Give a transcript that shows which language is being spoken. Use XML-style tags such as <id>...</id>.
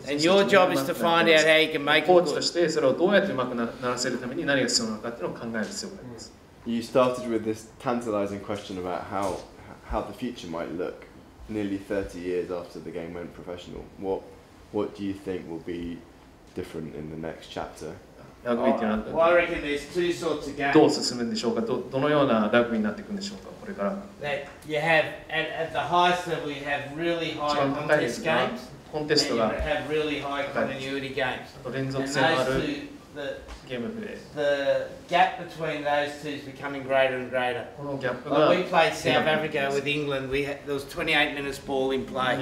<en>And your job is to find out how you can make it good. You started with this tantalising question about how the future might look nearly 30 years after the game went professional. What do you think will be different in the next chapter? I reckon there's two sorts of games.</en> <ja>どう進むんでしょうか?どのようなラグビーになっていくんでしょうか?これから。</ja> <en>That you have, at the highest level, you have really high contest games. And you have really high continuity games. And those two, the gap between those two is becoming greater and greater. Like we played South Africa with England, there was 28 minutes ball in play.</en>